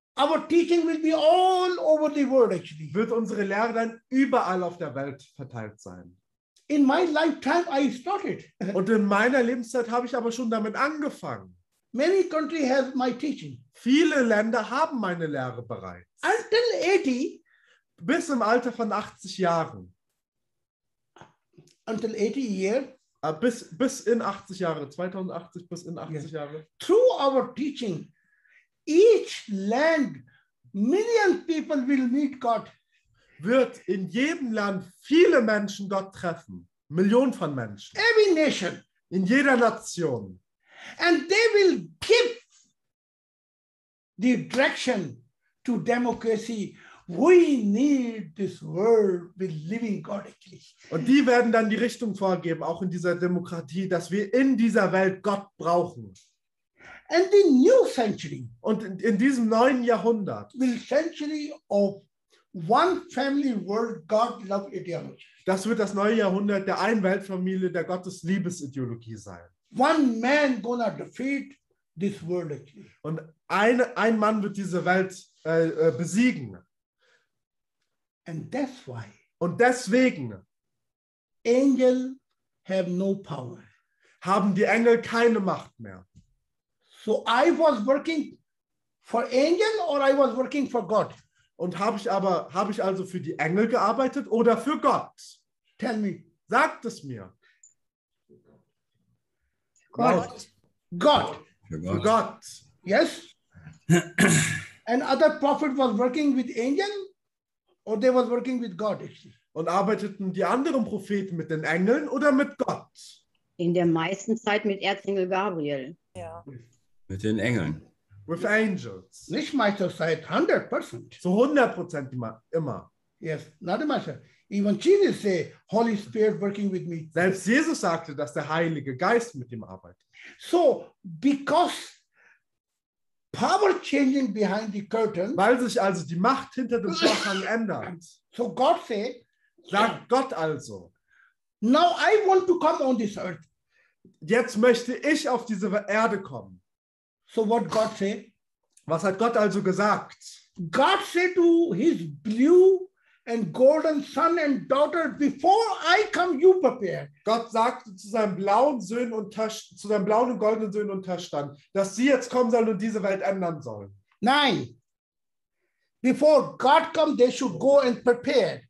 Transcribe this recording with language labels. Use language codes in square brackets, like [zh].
[en] Our teaching will be all over the world actually. [de] Wird unsere Lehre dann überall auf der Welt verteilt sein. [en] In my lifetime I started. [de] Und in meiner Lebenszeit habe ich aber schon damit angefangen. [en] Many countries have my teaching. [de] Viele Länder haben meine Lehre bereits. [en] Until 80. [de] Bis im Alter von 80 Jahren. [en] Until 80 years. [de] Bis in 80 Jahre, 2080 bis in 80 Jahre. [en] Through our teaching. Each land, million people will meet God. [de] Wird in jedem Land viele Menschen Gott treffen. Millionen von Menschen. [en] Every nation. [de] In jeder Nation. [en] And they will give the direction to democracy. We need this world with living God. [de] Und die werden dann die Richtung vorgeben, auch in dieser Demokratie, dass wir in dieser Welt Gott brauchen. [en] And the new century. [de] Und in diesem neuen Jahrhundert. [en] The century of one family world God love ideology. [de] Das wird das neue Jahrhundert der Einweltfamilie, der Gottes Liebesideologie sein. [en] One man gonna defeat this world. [de] Und ein Mann wird diese Welt besiegen. [en] And that's why. [de] Und deswegen. [en] Angel have no power. [de] Haben die Engel keine Macht mehr. [en] So I was working for angel or I was working for God. [de] Und habe ich also für die Engel gearbeitet oder für Gott? [en] Tell me. [de] Sagt es mir. Gott. Gott. Für Gott. [en] Yes. And other prophet was working with angel or they was working with God actually. [de] Und arbeiteten die anderen Propheten mit den Engeln oder mit Gott? In der meisten Zeit mit Erzengel Gabriel. Ja. Mit den Engeln. [en] With angels. [de] Nicht meistens seit 100%. So 100% immer. [en] Yes, not [de] immer. [en] Even Jesus say, Holy Spirit working with me. [de] Selbst Jesus sagte, dass der Heilige Geist mit ihm arbeitet. [en] So, because power changing behind the curtain. [de] Weil sich also die Macht hinter dem Vorhang ändert. [en] So God said, [de] sagt Gott also. [en] Now I want to come on this earth. [de] Jetzt möchte ich auf diese Erde kommen. [en] So what God said? [de] Was hat Gott also gesagt? [en] God said to his blue and golden son and daughter, before I come, you prepare. [de] Gott sagte zu seinem blauen Söhnen und zu seinem blauen und goldenen Söhnen und Töchtern, dass sie jetzt kommen sollen und diese Welt ändern sollen. Nein. [en] Before God come, they should go and prepare.